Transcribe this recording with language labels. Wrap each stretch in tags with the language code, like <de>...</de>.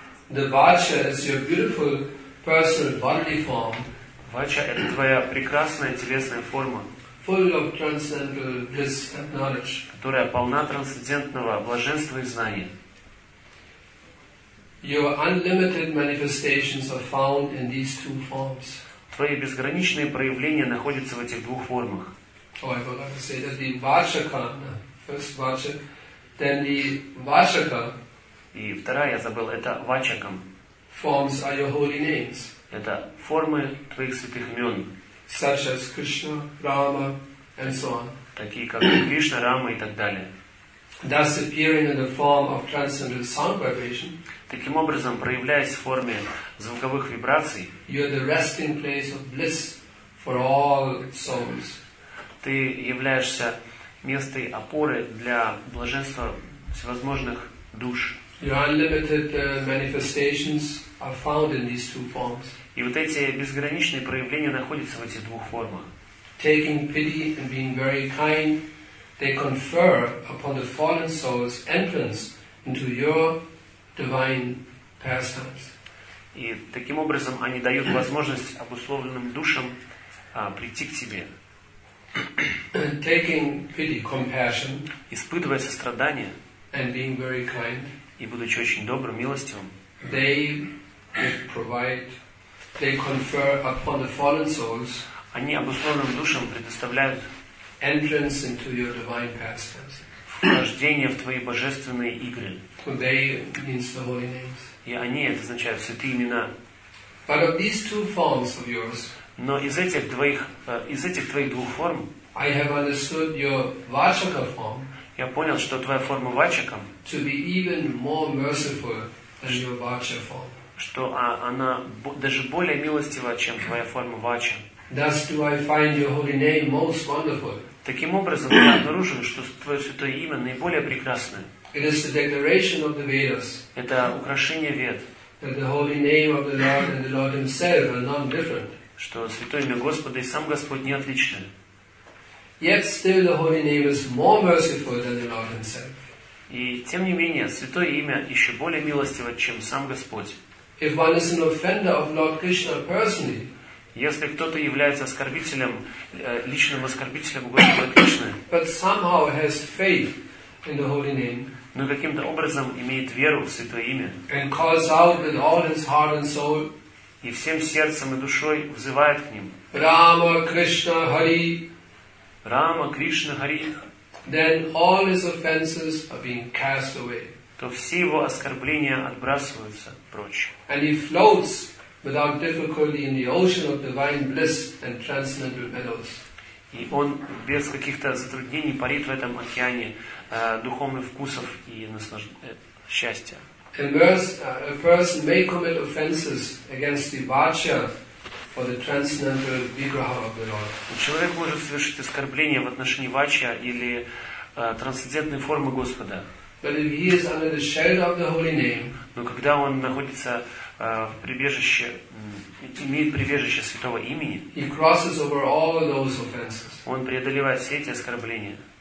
<en>The Vachya is your beautiful personal bodily form.</en> <ru>Vachya — это твоя прекрасная телесная форма.</ru> <en>Full of transcendental bliss and knowledge.</en> <ru>Которая полна трансцендентного блаженства и знания.</ru> <en>Your unlimited manifestations are found in these 2 forms.</en> <ru>Твои безграничные проявления находятся в этих 2 формах.</ru> <en>Oh, I forgot to say that the Vachaka, first Vachaka, then the Vachaka.</en> <ru>И вторая, я забыл, это Vachakam.</ru> <en>Forms are your holy names.</en> <ru>Это формы твоих святых имен.</ru> <en>Such as Krishna, Rama, and so on.</en> <ru>Такие как Кришна, Рама и так далее.</ru> <en>Thus appearing in the form of transcendental sound vibration.</en> <ru>Таким образом, проявляясь в форме звуковых вибраций,</ru> <en>you are the resting place of bliss for all souls.</en> <ru>Ты являешься местом опоры для блаженства всевозможных душ.</ru> <en>Your unlimited manifestations are found in these 2 forms.</en> <ru>И вот эти безграничные проявления находятся в этих 2 формах.</ru> <en>Taking pity and being very kind, they confer upon the fallen souls entrance into your divine pastimes.</en> <ru>И таким образом они дают возможность обусловленным душам прийти к тебе.</ru> <en>Taking pity, compassion,</en> <ru>испытывая сострадание,</ru> <en>and being very kind,</en> <ru>и будучи очень добрым, милостивым,</ru> <en>they provide, they confer upon the fallen souls,</en> <ru>они обусловленным душам предоставляют</ru> <en>entrance into your divine pastimes.</en> <ru>Вхождение в твои божественные игры.</ru> <en>They means the holy names.</en> <ru>И они, это означает святые имена.</ru> <en>But of these 2 forms of yours,</en> <ru>но из этих твоих 2 форм,</ru> <en>I have understood your Vachaka form,</en> <ru>я понял, что твоя форма Vachaka,</ru> <en>to be even more merciful than your Vacha form.</en> <ru>Что она даже более милостива, чем твоя форма Vacha.</ru> <en>Thus do I find your holy name most wonderful.</en> <ru>Таким образом, я обнаружил, что твое святое имя наиболее прекрасное.</ru> <en>It is the declaration of the Vedas.</en> <ru>Это украшение Вед.</ru> <en>That the holy name of the Lord and the Lord Himself are none different.</en> <ru>Что святое имя Господа и сам Господь не отличны.</ru> <en>Yet still the holy name is more merciful than the Lord Himself.</en> <ru>И тем не менее, святое имя еще более милостиво, чем сам Господь.</ru> <en>If one is an offender of Lord Krishna personally,</en> <ru>если кто-то является оскорбителем, личным оскорбителем Господа Кришны,</ru> <en>but somehow has faith in the holy name,</en> <ru>но каким-то образом имеет веру в Святое Имя,</ru> <en>and calls out with all his heart and soul,</en> <ru>и всем сердцем и душой взывает к ним,</ru> <en>Rama, Krishna, Hari,</en> <ru>Rama, Krishna, Hari,</ru> <en>then all his offenses are being cast away,</en> <ru>то все его оскорбления отбрасываются прочь.</ru> <en>And he floats without difficulty in the ocean of divine bliss and transcendental meadows.</en> <ru>И он без каких-то затруднений парит в этом океане духовных вкусов и счастья.</ru> <en>A person may commit offenses against the vacha for the transcendental vigraha of the Lord.</en> <ru>Человек может совершить оскорбление в отношении вачья или трансцендентной формы Господа.</ru> <en>But if he is under the shelter of the holy name,</en> <ru>но когда он находится в прибежище, имеет прибежище святого имени,</ru> <en>he crosses over all of those offenses.</en> <ru>Он преодолевает все эти оскорбления.</ru>